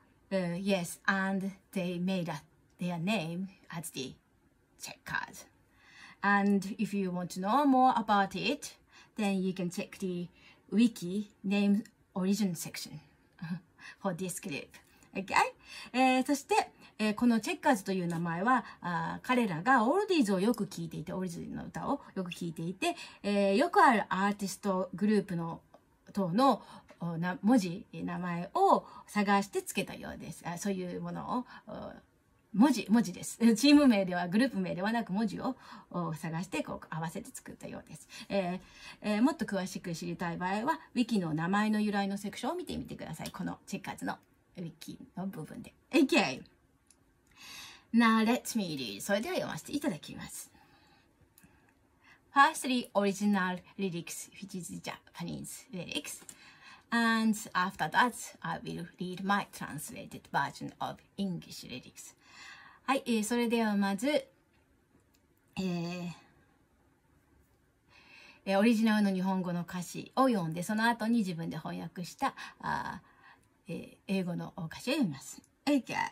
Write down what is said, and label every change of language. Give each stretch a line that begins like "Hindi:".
English: Yes, and they made their name as the Checkers. And if you want to know more about it, then you can check the wiki name origin section for this group. Okay?
Japanese: そして、このチェッカーズという名前は彼らがオールディーズをよく聴いていて、オールディーズの歌をよく聴いていて、よくあるアーティストグループの等の文字名前を探してつけたようです。そういうものを文字です。チーム名ではグループ名ではなく文字を探してこう合わせて作ったようです。もっと詳しく知りたい場合はウィキの名前の由来のセクションを見てみてください。このチェッカーズのウィキの部分で。
English: OKNow let me read.
Japanese: それでは読ませていただきます。
English: Firstly, original lyrics, which is Japanese lyrics. And after that, I will read my translated version of English lyrics.
Japanese: はい、それではまず、オリジナルの日本語の歌詞を読んで、その後に自分で翻訳した、英語の歌詞を読みます。
English: Okay.